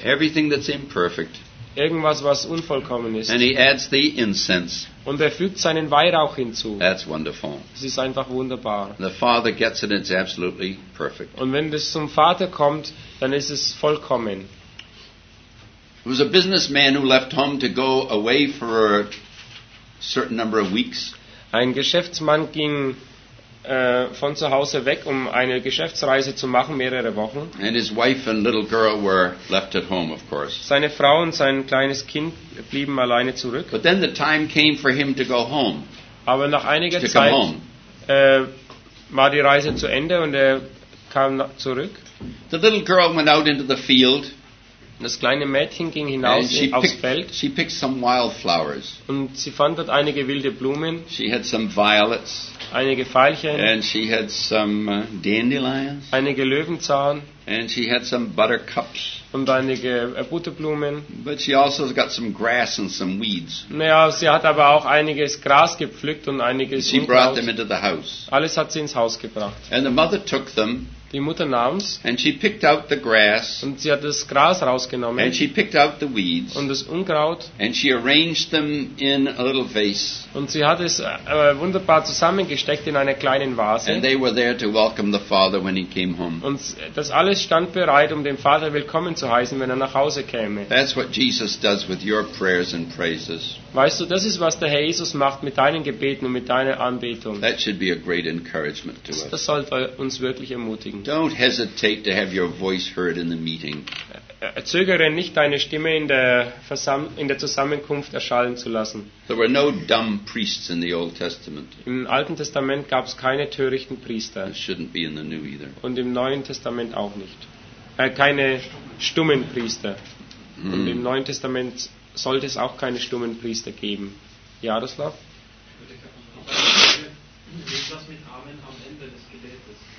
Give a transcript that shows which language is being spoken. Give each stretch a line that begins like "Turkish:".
English: Everything that's imperfect.
German: Irgendwas, was unvollkommen ist.
English: And he adds the incense.
German: Und er fügt seinen Weihrauch hinzu.
English: That's wonderful.
German: Es ist einfach wunderbar.
English: The Father gets it, it's absolutely perfect.
German: Und wenn es zum Vater kommt, dann ist es vollkommen.
English: There was a businessman who left home to go away for a certain number of weeks.
German: Ein Geschäftsmann ging von zu Hause weg, um eine Geschäftsreise zu machen, mehrere Wochen.
English: And his wife and little girl were left at home, of course.
German: Seine Frau und sein kleines Kind blieben alleine zurück.
English: But then the time came for him to go home.
German: Aber nach einiger Zeit war die Reise zu Ende und er kam zurück.
English: The little girl went out into the field.
German: Das kleine Mädchen ging hinaus aufs Feld.
English: She picked some wild flowers.
German: Und sie fand dort einige wilde Blumen.
English: She had some violets.
German: Einige Veilchen.
English: And she had some dandelions.
German: Einige Löwenzahn.
English: And she had some buttercups.
German: Und einige Butterblumen.
English: But she also got some grass and some weeds.
German: Naja, sie hat aber auch einiges Gras gepflückt und einiges
English: Unkraut. She brought them into the house.
German: Alles hat sie ins Haus gebracht.
English: And the mother took them.
German: Die Mutter nahm's.
English: And she picked out the grass.
German: Und sie hat das Gras rausgenommen.
English: And she picked out the weeds.
German: Und das Unkraut.
English: And she arranged them in a little vase.
German: Und sie hat es wunderbar zusammengesteckt in einer kleinen Vase.
English: And they were there to welcome the father when he came home.
German: Und das alles stand bereit, um den Vater willkommen zu heißen, wenn er nach Hause käme.
English: That's what Jesus does with your prayers and praises.
German: Weißt du, das ist, was der Herr Jesus macht mit deinen Gebeten und mit deiner Anbetung.
English: That should be a great encouragement to us.
German: Das sollte uns wirklich ermutigen.
English: Don't hesitate to have your voice heard in the meeting.
German: Zögere nicht, deine Stimme in der Zusammenkunft erschallen zu lassen.
English: There were no dumb priests in the Old Testament.
German: Im Alten Testament gab es keine törichten Priester.
English: It shouldn't be in the New either.
German: Und im Neuen Testament auch nicht. Keine stummen Priester. Mm. Und im Neuen Testament sollte es auch keine stummen Priester geben. Jaroslav? Was mit Amen am Ende des Gebetes?